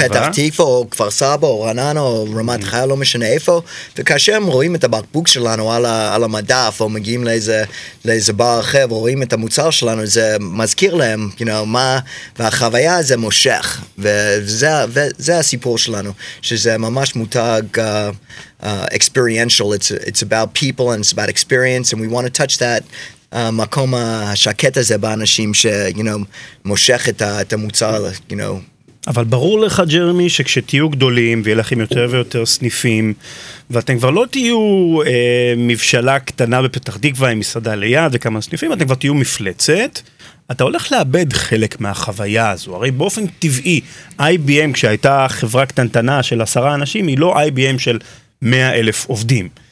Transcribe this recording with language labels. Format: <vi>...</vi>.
<he>תקווה, או כפר סבא, או רעננה, או רמת חיה, לא משנה איפה, וכאשר הם רואים את הבקבוק שלנו על המדף, או מגיעים לאיזה בר אחר, ורואים את המוצר שלנו, זה מזכיר להם, מה, והחוויה הזה מושך, וזה הסיפור שלנו, שזה ממש מותג...</he> <en>experiential. It's about people and it's about experience, and we want to touch that</en> <he>מקום השקט הזה באנשים שמושך את המוצר, אבל ברור לך, ג'רמי, שכשתהיו גדולים ויהיה לכם יותר ויותר סניפים, ואתם כבר לא תהיו מבשלה קטנה בפתח דקווה עם מסעדה ליד וכמה סניפים, אתם כבר תהיו מפלצת, אתה הולך לאבד חלק מהחוויה הזו. הרי באופן טבעי, IBM, כשהייתה חברה קטנטנה של 10 אנשים, היא לא IBM של 100,000 עובדים.</he>